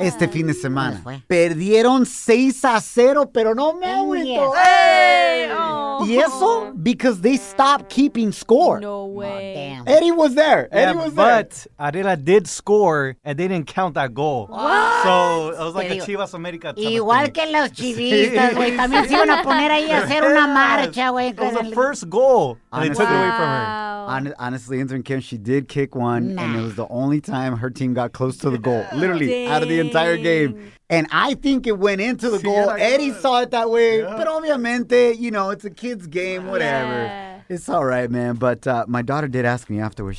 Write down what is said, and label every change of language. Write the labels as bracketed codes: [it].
[es] Este fin de semana. Perdieron 6-0, pero no me agüito. [en] Yes. Hey! Oh. [es] Y eso? [en] Because they stopped keeping score. No way. Oh, damn. Eddie was there. Yeah, Eddie was but there. But Ariela did score, and they didn't count that goal. What? So it was like a Chivas America type. [es] Igual [en] of thing. [es] Que los chivistas, güey. También se iban a poner ahí a hacer una marcha, güey. [en] It was the first goal. And they took it away from her. Honestly, Intern Kim, she did kick one, and it was the only time her team got close to the goal. Literally, out of the entire game. And I think it went into the goal. Eddie saw it that way. Yeah. But obviamente, you know, it's a kid's game, whatever. Yeah. It's all right, man. But my daughter did ask me afterwards.